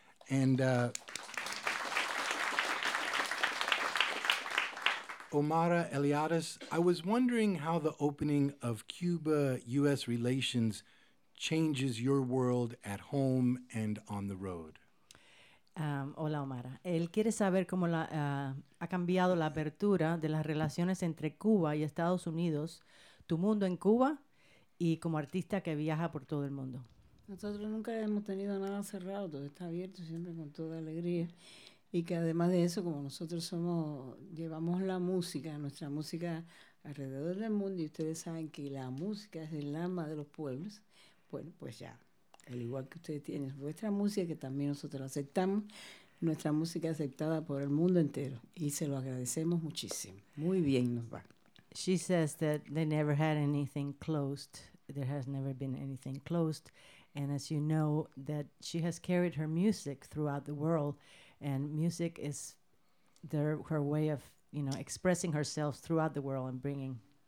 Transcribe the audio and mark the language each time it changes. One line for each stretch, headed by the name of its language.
English: And Omara, Eliades, I was wondering how the opening of Cuba-U.S. relations changes your world at home and on the road.
Spanish: Hola, Omara. Él quiere saber cómo ha cambiado la apertura de las relaciones entre Cuba y Estados Unidos, tu mundo en Cuba y como artista que viaja por todo el mundo. Nosotros nunca hemos tenido nada cerrado, todo está abierto siempre con toda alegría. Y que además de eso, como nosotros llevamos la música, nuestra música alrededor del mundo, y ustedes saben que la música es el alma de los pueblos, bueno, pues ya, al igual que ustedes tienen vuestra música, que también nosotros aceptamos, nuestra música aceptada por el mundo entero. Y se lo agradecemos muchísimo. Muy bien nos va.
English: She says that they never had anything closed. There has never been anything closed. And as you know, that she has carried her music throughout the world. And music is her way of, you know, expressing herself throughout the world and bringing.